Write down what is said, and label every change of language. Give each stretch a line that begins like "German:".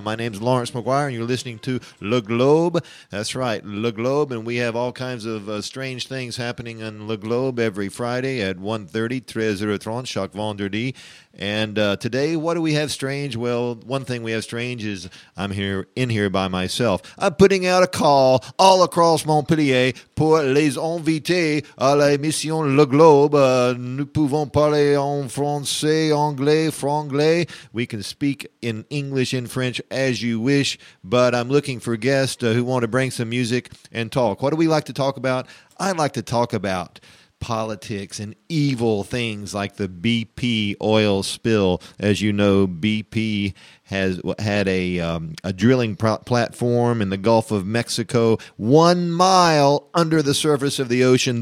English: My name's Lawrence McGuire, and you're listening to Le Globe. That's right, Le Globe, and we have all kinds of strange things happening on Le Globe every Friday at 1:30, 13h30,
French: chaque vendredi.
English: And today, what do we have strange? Well, one thing we have strange is I'm here in here by myself. I'm putting out a call all across Montpellier
French: pour les invités à l'émission Le Globe. Nous pouvons parler en français, anglais, franglais.
English: We can speak in English, in French, as you wish. But I'm looking for guests who want to bring some music and talk. What do we like to talk about? I like to talk about politics and evil things like the BP oil spill. As you know, BP has had a drilling platform in the Gulf of Mexico, 1 mile under the surface of the ocean.